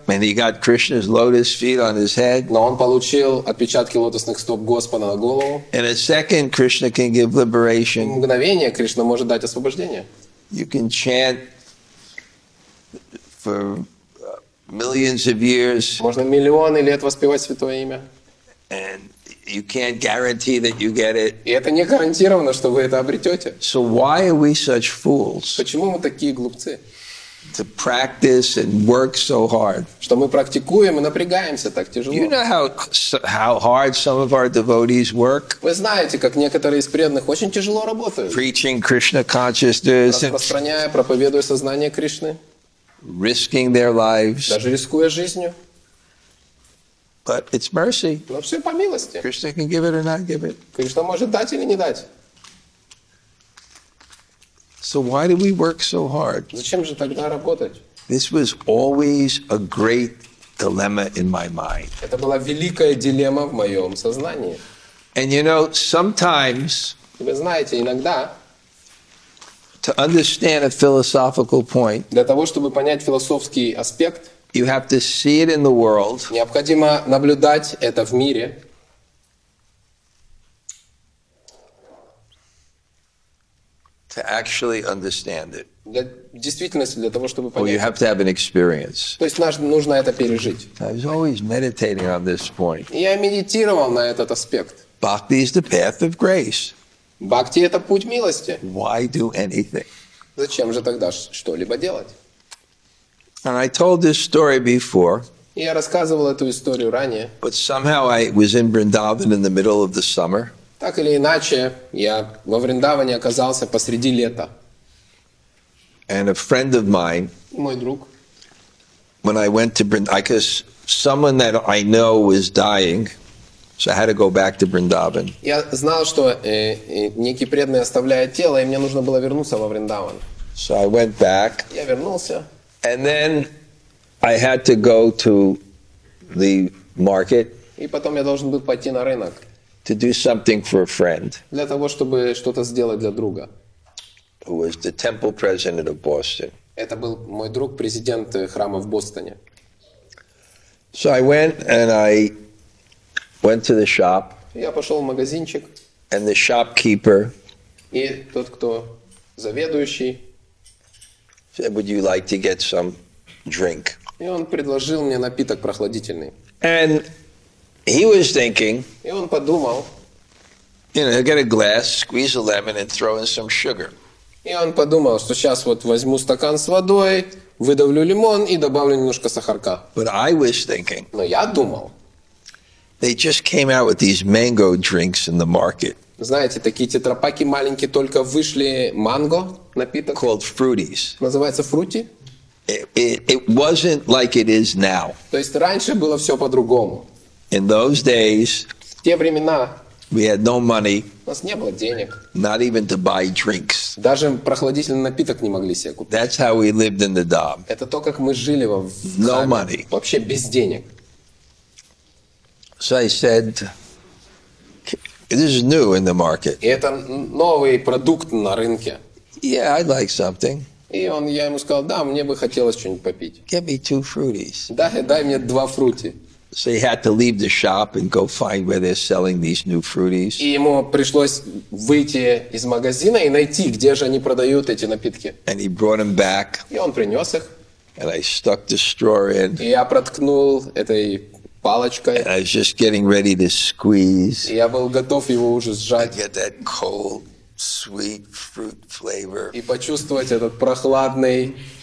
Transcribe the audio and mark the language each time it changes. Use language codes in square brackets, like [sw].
[en] and he got Krishna's lotus feet on his head. [ru] Но он получил отпечатки лотосных стоп Господа на голову. [en] In a second, Krishna can give liberation. [ru] В мгновение Кришна может дать освобождение. [en] You can chant for millions of years. [ru] Можно миллионы лет воспевать святое имя. [en] And you can't guarantee that you get it. [ru] И это не гарантировано, что вы это обретете. [en] So why are we such fools? [ru] Почему мы такие глупцы? [en] To practice and work so hard. [ru] Что мы практикуем и напрягаемся так тяжело. [en] You know how hard some of our devotees work? [ru] Вы знаете, как некоторые из преданных очень тяжело работают. [en] Preaching Krishna consciousness. [ru] Распространяя, проповедуя сознание Кришны. [en] Risking their lives. [ru] Даже рискуя жизнью. [en] But it's mercy. [ru] Но все по милости. [en] Krishna can give it or not give it. [ru] Кришна может дать или не дать. [en] So why do we work so hard? [ru] Зачем же тогда работать? [en] This was always a great dilemma in my mind. [ru] Это была великая дилемма в моем сознании. [en] And you know, sometimes. [ru] Вы знаете, иногда. [en] To understand a philosophical point. [ru] Для того, чтобы понять философский аспект. [en] You have to see it in the world. [ru] Необходимо наблюдать это в мире. [en] To actually understand it. [ru] Для действительности, для того, чтобы понять. [en] Or you have to have an experience. [ru] То есть нам нужно это пережить. [en] I was always meditating on this point. [ru] Я медитировал на этот аспект. [en] Bhakti is the path of grace. [ru] Бхакти — это путь милости. [en] Why do anything? [ru] Зачем же тогда что-либо делать? [en] And I told this story before. [ru] Я рассказывал эту историю ранее. [en] But somehow I was in Vrindavan in the middle of the summer. [ru] Так или иначе, я во Вриндаване оказался посреди лета. [en] And a friend of mine. [ru] Мой друг. [en] When I went to Vrindavan, because someone that I know was dying, so I had to go back to Vrindavan. [ru] Я знал, что некий преданный оставляет тело, и мне нужно было вернуться во Вриндаван. [en] So I went back. [ru] Я вернулся. [en] And then I had to go to the market. [ru] И потом я должен был пойти на рынок. [en] To do something for a friend. [ru] Для того, чтобы что-то сделать для друга. [en] Who was the temple president of Boston. [ru] Это был мой друг, президент храма в Бостоне. [en] So I went and I went to the shop. [ru] Я пошел в магазинчик. [en] And the shopkeeper. [ru] И тот, кто заведующий. [en] Said, would you like to get some drink? [ru] И он предложил мне напиток прохладительный. [en] And he was thinking. [ru] И он подумал. [en] You know, get a glass, squeeze a lemon, and throw in some sugar. [ru] И он подумал, что сейчас вот возьму стакан с водой, выдавлю лимон и добавлю немножко сахарка. [en] But I was thinking. [ru] Но я думал. [en] They just came out with these mango drinks in the market. [ru] Знаете, такие тетрапаки маленькие только вышли, манго напиток. [en] Called Fruities. [ru] Называется Фрути. [en] It wasn't like it is now. [ru] То есть раньше было все по-другому. [en] In those days. [ru] В те времена. [en] We had no money. [ru] У нас не было денег. [en] Not even to buy drinks. [ru] Даже прохладительный напиток не могли себе купить. [en] That's how we lived in the dorm. [ru] Это то, как мы жили во. [en] No money. [ru] Вообще без денег. [en] So I said. This is new in the market. [ru] Это новый продукт на рынке. [en] Yeah, I'd like something. [ru] И он, я ему сказал, да, мне бы хотелось что-нибудь попить. [en] Give me two fruities. [ru] Дай мне два фрути. [en] So he had to leave the shop and go find where they're selling these new fruities. [ru] И ему пришлось выйти из магазина и найти, где же они продают эти напитки. [en] And he brought them back. [ru] И он принес их. [en] And I stuck the straw in. [ru] И я проткнул этой. Палочкой. [en] And I was just getting ready to squeeze. [ru] Я был готов его уже сжать. [en] Get that cold, sweet fruit flavor. [ru] И почувствовать этот прохладный.